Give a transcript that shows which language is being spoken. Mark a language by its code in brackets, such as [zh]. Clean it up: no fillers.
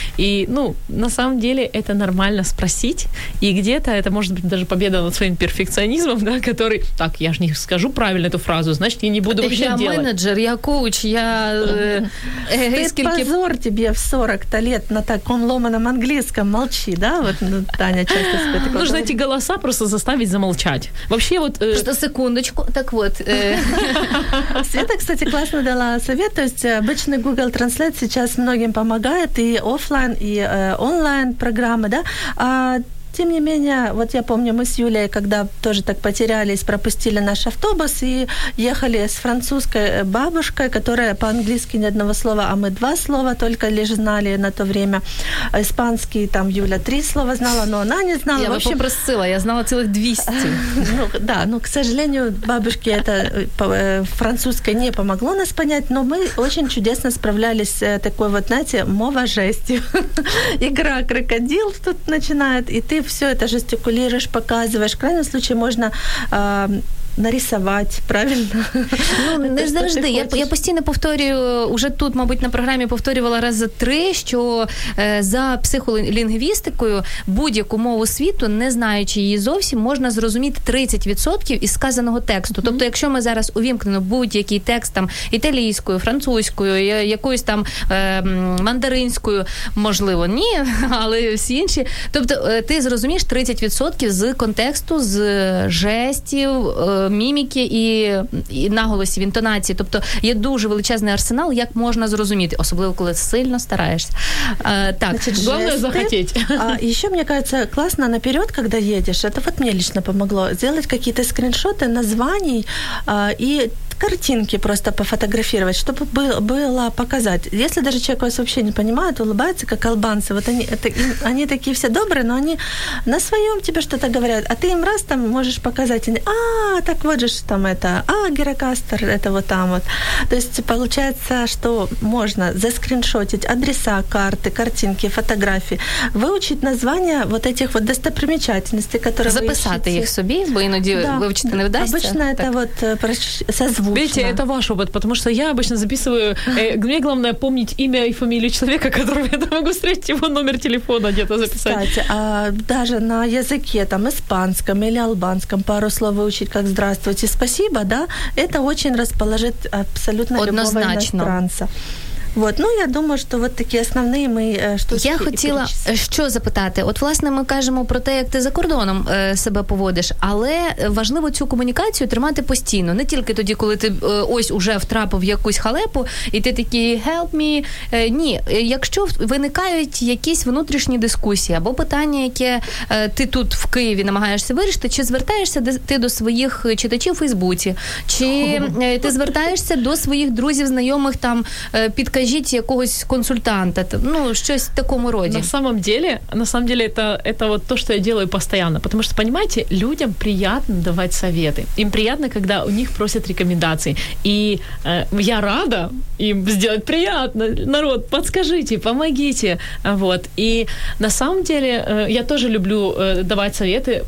[ru] И, ну, на самом деле это нормально спросить, и где-то это может быть даже победа над своим перфекционизмом, да, который, так, я же не скажу правильно эту фразу, значит, я не буду вообще я делать. Я менеджер, я коуч, я... позор тебе в 40-то лет на таком ломаном английском, молчи, да? Вот Таня часто спит. Нужно эти голоса просто заставить замолчать. Вообще вот... Просто секундочку, так вот. Света, кстати, классно дала совет, то есть обычный Google Translate сейчас многим помогает, и офлайн, и онлайн программы, да? Тем не менее, вот я помню, мы с Юлей, когда тоже так потерялись, пропустили наш автобус и ехали с французской бабушкой, которая по-английски ни одного слова, а мы два слова только лишь знали на то время. Испанский, там Юля три слова знала, но она не знала. Я вообще попросила, я знала целых 200. Да, но, к сожалению, бабушке это французское не помогло нас понять, но мы очень чудесно справлялись с такой вот, знаете, [uk] мова жести. [ru] Игра крокодил тут начинает, и ты все это жестикулируешь, показываешь. В крайнем случае можно нарисовать, правильно? [uk] Ну, не завжди. Я постійно повторюю, уже тут, мабуть, на програмі повторювала раз за три, що за психолінгвістикою будь-яку мову світу, не знаючи її зовсім, можна зрозуміти 30% із сказаного тексту. Тобто, якщо ми зараз увімкнемо будь-який текст там італійською, французькою, якоюсь там мандаринською, можливо, ні, але всі інші. Тобто, ти зрозумієш 30% з контексту, з жестів, міміки і наголосі в інтонації. Тобто є дуже величезний арсенал, як можна зрозуміти, особливо коли сильно стараєшся. Так, значить, головне жести, захотіти. А ще, мені здається, класно наперед, коли їдеш, це от мені лично допомогло, зробити якісь скріншоти, названий і картинки просто [ru] пофотографировать, чтобы было показать. Если даже человек вас вообще не понимает, улыбается, как албанцы, вот они, это, они такие все добрые, но они на своем тебе что-то говорят, а ты им раз там можешь показать, а, так вот же там это, а, Геракастер, это вот там вот. То есть получается, что можно заскриншотить адреса, карты, картинки, фотографии, выучить названия вот этих вот достопримечательностей, которые записать их себе, бо иногда выучить не вдастся. Обычно так. Это вот созвучие. Видите, это ваш опыт, потому что я обычно записываю, мне главное помнить имя и фамилию человека, которого я могу встретить, его номер телефона где-то записать. Кстати, даже на языке там испанском или албанском пару слов выучить, как «здравствуйте», «спасибо», да, это очень расположит абсолютно однозначно любого иностранца. Вот, ну, [uk] я думаю, що от такі основні ми штучки. Я хотіла що запитати. От, власне, ми кажемо про те, як ти за кордоном себе поводиш, але важливо цю комунікацію тримати постійно. Не тільки тоді, коли ти ось уже втрапив в якусь халепу, і ти такий [en] «help me». [uk] Ні, якщо виникають якісь внутрішні дискусії або питання, яке ти тут в Києві намагаєшся вирішити, чи звертаєшся ти до своїх читачів у Фейсбуці, чи ти звертаєшся до своїх друзів, знайомих там під скажите якогось консультанта, ну, щось в такому роді. [ru] На самом деле это вот то, что я делаю постоянно, потому что, понимаете, людям приятно давать советы. Им приятно, когда у них просят рекомендации. И я рада им сделать приятно. Народ, подскажите, помогите. Вот. И на самом деле я тоже люблю давать советы.